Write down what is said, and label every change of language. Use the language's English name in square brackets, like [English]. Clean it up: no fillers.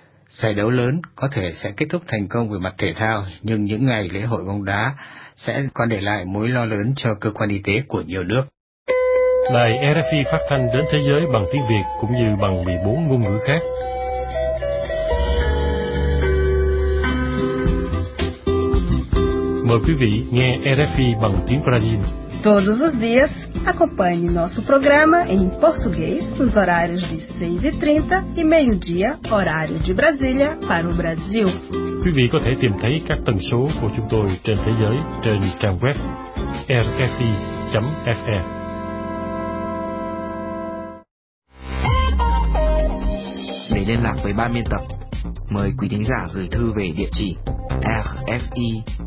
[Vietnamese] Giải đấu lớn có thể sẽ kết thúc thành công về mặt thể thao, nhưng những ngày lễ hội bóng đá sẽ còn để lại mối lo lớn cho cơ quan y tế của nhiều nước. Đài RFI phát thanh đến thế giới bằng tiếng Việt cũng như bằng 14 ngôn ngữ khác. Mời quý vị nghe RFI bằng tiếng Brazil. [Portuguese] Todos os dias, acompanhe nosso programa em português nos horários de 6h30 e meio-dia, horário de Brasília, para o Brasil. [Vietnamese] Quý vị có thể tìm thấy các tần số của chúng tôi trên thế giới trên trang web rfi.fe. Để liên lạc với ban biên tập, mời quý thính giả gửi thư về địa chỉ RFI.